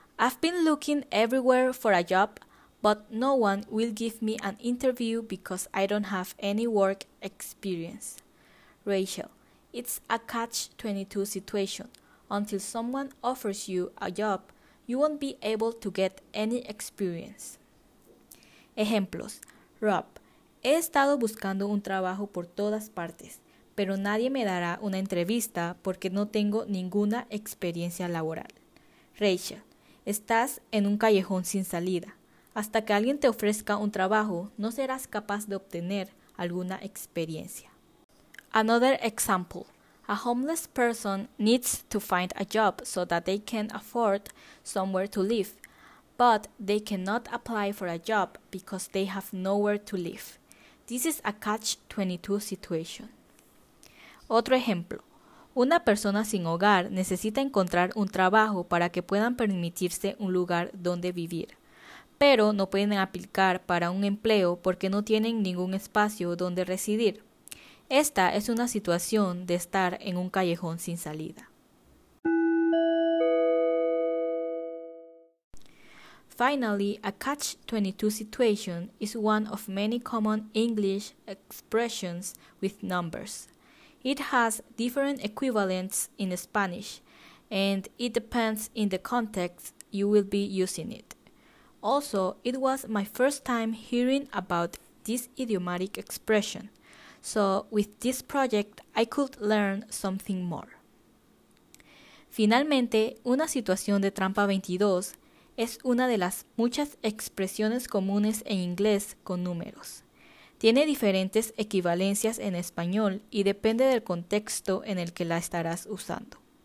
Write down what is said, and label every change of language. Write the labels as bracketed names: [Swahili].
[English] I've been looking everywhere for a job, but no one will give me an interview because I don't have any work experience. Rachel, it's a catch-22 situation. Until someone offers you a job, you won't be able to get any experience. [Spanish] Ejemplos. Rob, he estado buscando un trabajo por todas partes, pero nadie me dará una entrevista porque no tengo ninguna experiencia laboral. Rachel, estás en un callejón sin salida. Hasta que alguien te ofrezca un trabajo, no serás capaz de obtener alguna experiencia. [English] Another example. A homeless person needs to find a job so that they can afford somewhere to live, but they cannot apply for a job because they have nowhere to live. This is a catch-22 situation. [Spanish] Otro ejemplo. Una persona sin hogar necesita encontrar un trabajo para que puedan permitirse un lugar donde vivir, pero no pueden aplicar para un empleo porque no tienen ningún espacio donde residir. Esta es una situación de estar en un callejón sin salida. [English] Finally, a catch-22 situation is one of many common English expressions with numbers. It has different equivalents in Spanish, and it depends in the context you will be using it. Also, it was my first time hearing about this idiomatic expression, so with this project I could learn something more. [Spanish] Finalmente, una situación de trampa 22 es una de las muchas expresiones comunes en inglés con números. Tiene diferentes equivalencias en español y depende del contexto en el que la estarás usando.